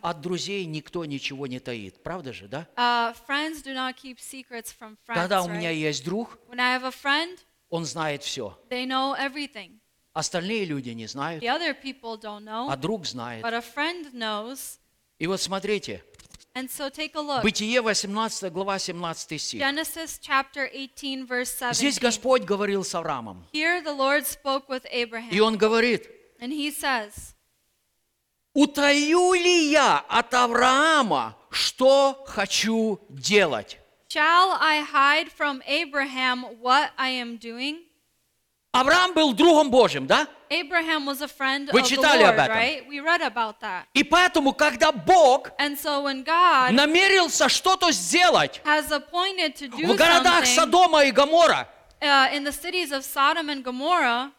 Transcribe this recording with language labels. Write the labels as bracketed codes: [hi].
[ru] От друзей никто ничего не таит. Правда же, да? [en] Friends do not keep secrets from friends, [ru] Когда у [en] right? [ru] меня есть друг, [en] When I have a friend, [ru] он знает все. [en] They know everything. [ru] Остальные люди не знают. [en] The other people don't know, [ru] а друг знает. [en] But a friend knows. [ru] И вот смотрите. [en] And so take a look. [ru] Бытие 18, глава 17 стих. [en] Genesis chapter 18, verse 17. [ru] Здесь Господь говорил с Авраамом. [en] Here the Lord spoke with Abraham. [ru] И он говорит. [en] And he says, [ru] Утаю ли я от Авраама, что хочу делать? [en] Shall I hide from Abraham what I am doing? [ru] Авраам был другом Божьим, да? [en] Abraham was a friend [ru] Вы [en] of [ru] читали [en] the Lord, [ru] об этом. [en] Right? We read about that. [ru] И поэтому, когда Бог [en] And so when God [ru] намерился что-то сделать [en] has appointed to do [ru] в городах Содома и Гоморра, [en] in the cities of Sodom and Gomorrah,